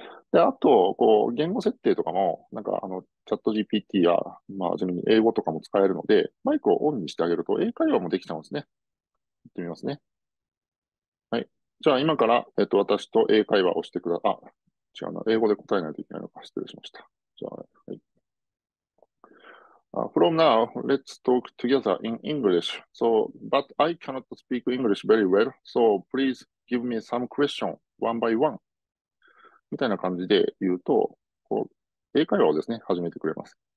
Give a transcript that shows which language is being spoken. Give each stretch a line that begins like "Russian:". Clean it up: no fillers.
Japanese: で、あと、こう、言語設定とかも、チャット GPT や、ちなみに英語とかも使えるので、マイクをオンにしてあげると、英会話もできちゃうんですね。行ってみますね。じゃあ、今から、私と英会話をしてくだ、あ、違うな。英語で答えないといけないのか。失礼しました。じゃあ、はい。
English: From now, let's talk together in English. So, but I cannot speak English very well. So, please give me some question one by one.
Japanese: みたいな感じで言うと、こう、英会話をですね、始めてくれます。